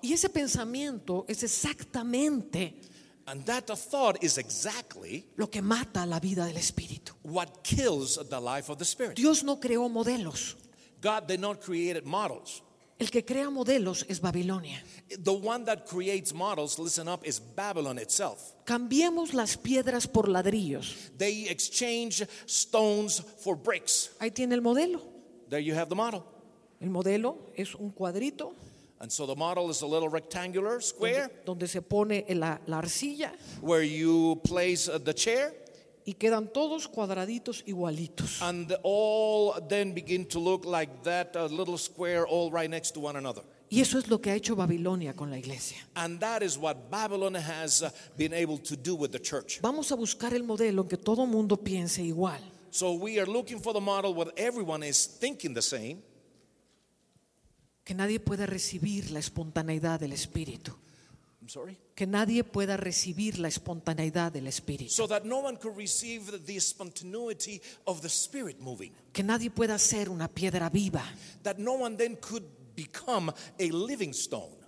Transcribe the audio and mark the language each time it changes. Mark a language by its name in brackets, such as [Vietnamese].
[Spanish] Y ese pensamiento es exactamente. [English] And that thought is exactly [Spanish] lo que mata la vida del espíritu. [English] What kills the life of the spirit. [Spanish] Dios no creó modelos. [English] God did not create models. [Spanish] El que crea modelos es Babilonia. [English] The one that creates models, listen up, is Babylon itself. [Spanish] Cambiemos las piedras por ladrillos. [English] They exchange stones for bricks. [Spanish] Ahí tiene el modelo. [English] There you have the model. [Spanish] El modelo es un cuadrito. [English] And so the model is a little rectangular square [Spanish] donde se pone la arcilla, [English] where you place the chair, [Spanish] y quedan todos cuadraditos igualitos. [English] And all then begin to look like that little square all right next to one another. [Spanish] Y eso es lo que ha hecho Babilonia con la iglesia. [English] And that is what Babylon has been able to do with the church. [Spanish] Vamos a buscar el modelo en que todo mundo piense igual. [English] So we are looking for the model where everyone is thinking the same. [Spanish] Que nadie pueda recibir la espontaneidad del Espíritu. [English] I'm sorry? [Spanish] Que nadie pueda recibir la espontaneidad del Espíritu. [English] So that no one could receive the spontaneity of the Spirit moving. [Spanish] Que nadie pueda ser una piedra viva. [English] That no one then could become a living stone.